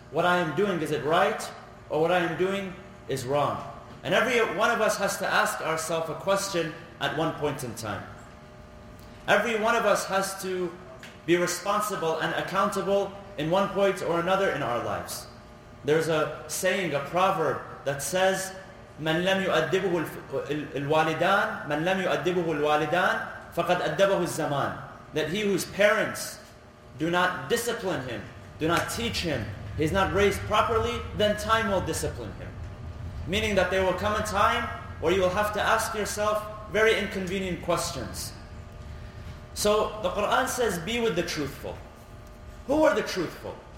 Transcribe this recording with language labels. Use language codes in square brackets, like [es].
[en] What I am doing, is it right? Or what I am doing is wrong? And every one of us has to ask ourselves a question at one point in time. Every one of us has to be responsible and accountable in one point or another in our lives. There's a saying, a proverb that says, [ar] مَنْ لَمْ يُؤَدِّبُهُ الْوَالِدَانِ مَنْ لَمْ يُؤَدِّبُهُ الْوَالِدَانِ فَقَدْ أَدَّبَهُ الزَّمَانِ. [en] That he whose parents do not discipline him, do not teach him, he's not raised properly, then time will discipline him. Meaning that there will come a time where you will have to ask yourself very inconvenient questions. So the Quran says, be with the truthful. Who are the truthful?